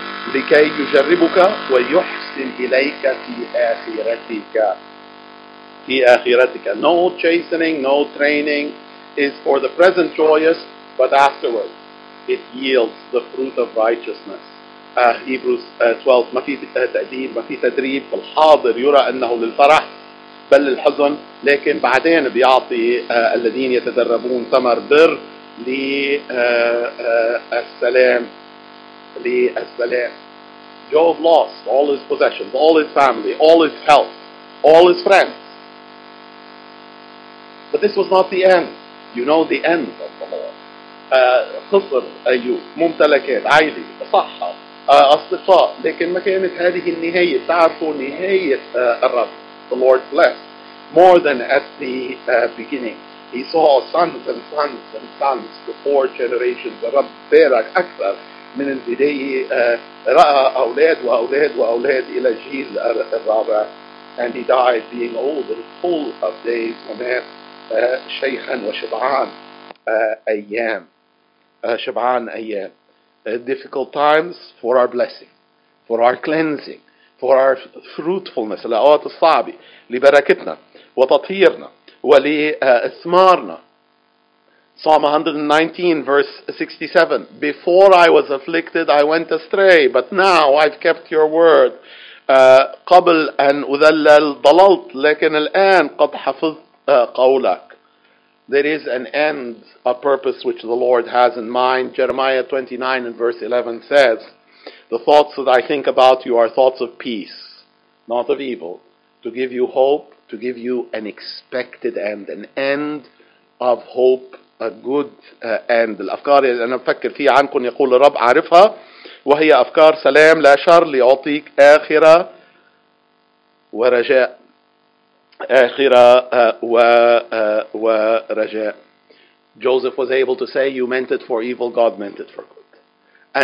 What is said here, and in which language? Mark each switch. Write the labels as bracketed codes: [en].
[ar] لكي يجربك ويحسن إليك في آخرتك. في آخرتك. [en] No chastening, no training is for the present joyous, but afterwards it yields the fruit of righteousness. Hebrews 12. [ar] ما في تأديب, ما في تدريب في الحاضر يرى أنه للفرح بل للحزن, لكن بعدين بيعطي الذين يتدربون ثمر بر للسلام. للسلام. [en] Job lost all his possessions, all his family, all his health, all his friends. But this was not the end. You know the end of the Lord. [ar] خسر أيوب, ممتلكات, عائلة, صحة, أصدقاء, لكن ما كانت هذه النهاية, تعرفوا نهاية الرب. [en] The Lord blessed more than at the beginning. He saw sons and sons and sons for four generations. The Lord barak [ar] أكثر من البداية, رأى أولاد وأولاد وأولاد إلى جيل الرابع. [en] And he died being old and full of days, [ar] ومات شيخا وشبعان أيام. شبعان أيام. [en] Difficult times for our blessing, for our cleansing, for our fruitfulness. [ar] الأوقات الصعبة لبركتنا وتطهيرنا ولإثمارنا. [en] Psalm 119, verse 67. Before I was afflicted, I went astray, but now I've kept your word. [ar] قبل أن أذلل ضللت, لكن الآن قد حفظت قولك. [en] There is an end, a purpose which the Lord has in mind. Jeremiah 29 and verse 11 says, the thoughts that I think about you are thoughts of peace, not of evil, to give you hope, to give you an expected end, an end of hope. A good end. [ar] الأفكار اللي أنا أفكر فيها عنكم يقول الرب عارفها, وهي أفكار سلام لا شر, ليعطيك آخرة ورجاء. آخرة ورجاء. [en] Joseph was able to say, you meant it for evil, God meant it for good.